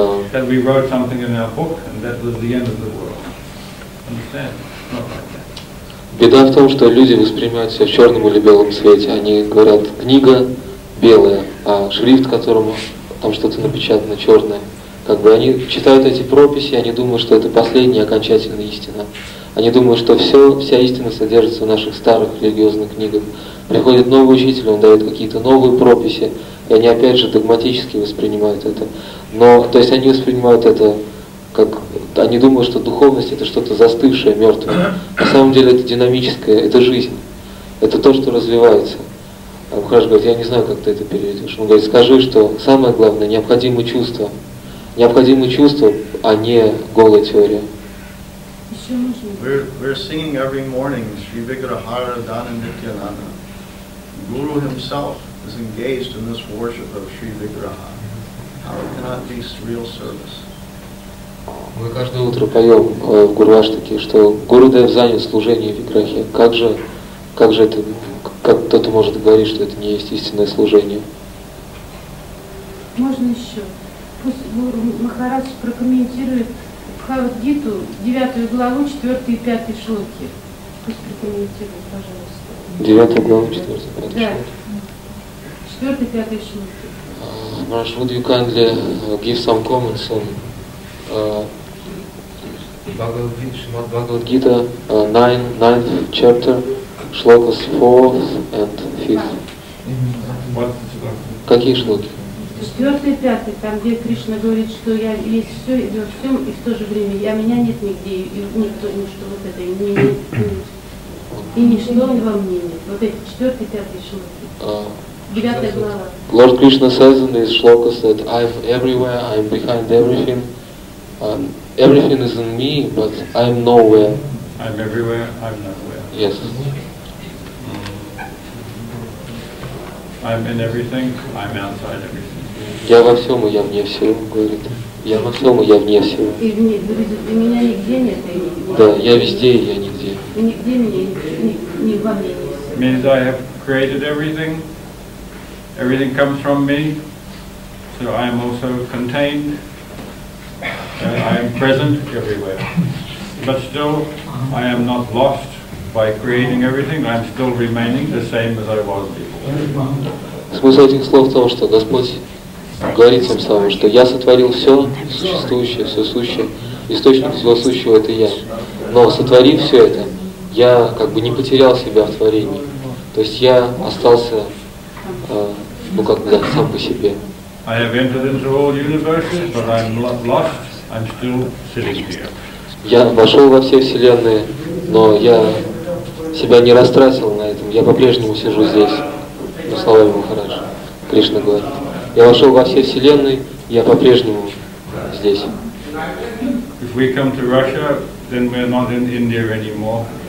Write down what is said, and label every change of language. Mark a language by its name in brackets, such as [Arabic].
[English] That we wrote something in our book and that was the end of the world. Understand? Not like that. [Russian] Беда в том, что люди воспринимают все в черном или белом свете. Они говорят, книга белая, а шрифт, которому там что-то напечатано, черное. Как бы они читают эти прописи, они думают, что это последняя окончательная истина. Они думают, что все, вся истина содержится в наших старых религиозных книгах. Приходит новый учитель, он дает какие-то новые прописи, и они опять же догматически воспринимают это. Но, то есть они воспринимают это... Как, они думают, что духовность это что-то застывшее, мертвое. На самом деле это динамическое, это жизнь. Это то, что развивается. А Махараш говорит, я не знаю, как ты это переведешь. Он говорит, скажи, что самое главное, необходимы чувства. Необходимы чувства, а не голая теория. [English] We're singing every morning, Sri Vigraha Dana Nityananda. Guru himself is engaged in this worship of Sri Vigraha. How can that be real service? [Russian] Мы каждое утро поем в Гурваштаке, что Гурудев занят служением Виграхе. Как же это, как кто-то может говорить, что это не есть истинное служение? Можно еще? Пусть Гуру Махарадж прокомментирует Бхагавад-гиту, 9 главу, 4 и 5 шлоки. Пусть прокомментирует, пожалуйста. 9 главу, 4 и 5 шлоки? Да. 4 и 5 шлоки. [English] Маш, would you kindly give some comments on Bhagavad-gita, 9th chapter, shlokas 4th and 5th. [Russian] Какие шлоки? 4 и 5, там где Кришна говорит, что я есть все и во всем, и в то же время я меня нет нигде, и никто, ничто вот это, и не и ничто во мне нет. Вот эти 4 и 5 шлоки. Девятая глава. [English] Lord Krishna says in this shlokas that I'm everywhere, I'm behind everything. Everything is in me, but I'm nowhere. I'm everywhere, I'm nowhere. Yes. I'm in everything, I'm outside everything. [Russian] Я во всем, и я вне всего, говорит. Я во всем, и я вне всего. И меня нигде нет, и нигде. Да, я везде, и я нигде. Нигде меня, ни во мне нет. [English] Means I have created everything. Everything comes from me. So I am also contained. I am present everywhere, but still I am not lost by creating everything. I am still remaining the same as I was before. [Russian] Смысл этих слов в том, что Господь говорит тем самым, что я сотворил все существующее, все сущее, источник всего сущего это я. Но сотворив все это, я как бы не потерял себя в творении. То есть я остался, ну как бы сам по себе. [English] I have entered into all universes, but I am lost, I'm still sitting here. [Russian] Я вошел во все вселенные, но я себя не растратил на этом. Я по-прежнему сижу здесь, словами Махараджа. Кришна говорит. Я вошел во все вселенные, я по-прежнему здесь. [English] If we come to Russia, then we're not in India anymore.